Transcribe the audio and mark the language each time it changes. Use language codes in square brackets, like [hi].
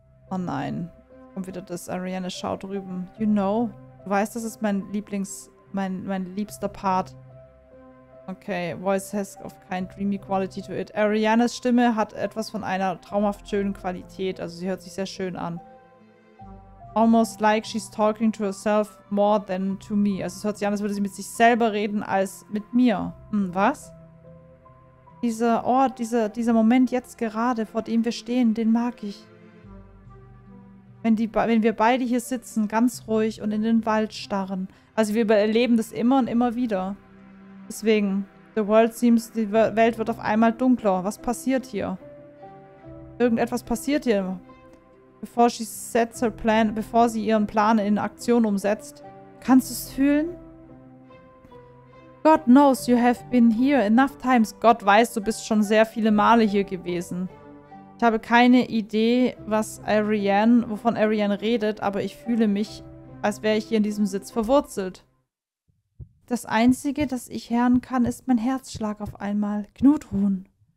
[de] Oh nein. Kommt wieder das. Ariane schaut drüben. You know. Du weißt, das ist mein liebster Part. [en] Okay, Voice has of kind dreamy quality to it. [de] Arianes Stimme hat etwas von einer traumhaft schönen Qualität. Also sie hört sich sehr schön an. [en] Almost like she's talking to herself more than to me. [de] Also es hört sich an, als würde sie mit sich selber reden als mit mir. Hm, was? Dieser Ort, dieser Moment jetzt gerade, vor dem wir stehen, den mag ich. Wenn wir beide hier sitzen, ganz ruhig und in den Wald starren. Also wir erleben das immer und immer wieder. Deswegen, [en] the world seems, [de] die Welt wird auf einmal dunkler. Was passiert hier? Irgendetwas passiert hier. Bevor sie ihren Plan in Aktion umsetzt. Kannst du es fühlen? [en] God knows you have been here enough times. [de] Gott weiß, du bist schon sehr viele Male hier gewesen. Ich habe keine Idee, wovon Ariane redet, aber ich fühle mich, als wäre ich hier in diesem Sitz verwurzelt. Das Einzige, das ich hören kann, ist mein Herzschlag auf einmal. Knutruhen.